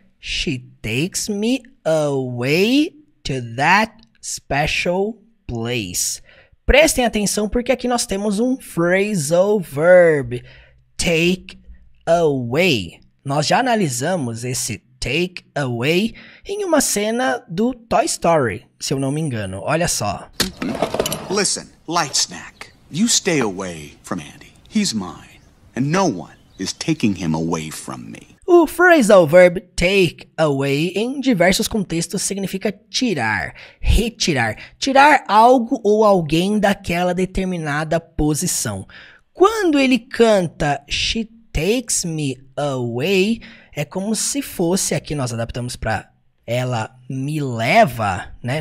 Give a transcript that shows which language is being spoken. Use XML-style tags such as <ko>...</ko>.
<en>She takes me away to that special place.</en> <pt>Prestem atenção porque aqui nós temos um phrasal verb. Take away. Nós já analisamos esse take away em uma cena do Toy Story, se eu não me engano. Olha só.</pt> <en>Listen, light snack. You stay away from Andy. He's mine. And no one is taking him away from me.</en> <pt>O phrasal verb take away em diversos contextos significa tirar, retirar, tirar algo ou alguém daquela determinada posição. Quando ele canta</pt> <en>She takes me away,</en> <pt>é como se fosse, aqui nós adaptamos para ela me leva, né?</pt>